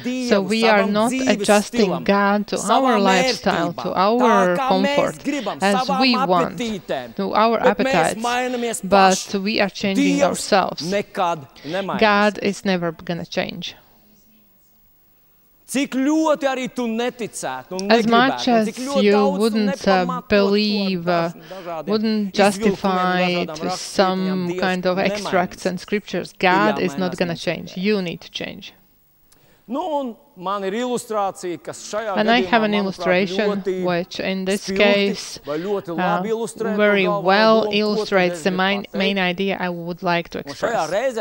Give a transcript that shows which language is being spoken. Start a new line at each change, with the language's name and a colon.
English: So we are not adjusting God to our lifestyle, to our comfort, as we want, to our appetites, but we are changing ourselves. God is never going to change.
Latvian: Cik ļoti arī tu neticēt, un
English: as much as you wouldn't believe, wouldn't justify to some kind of extracts and scriptures, God is not going to change. You need to change.
Latvian: Nu, un man ir ilustrācija, kas šajā
English: and I have an illustration, which in this case very well illustrates the main idea I would like to express.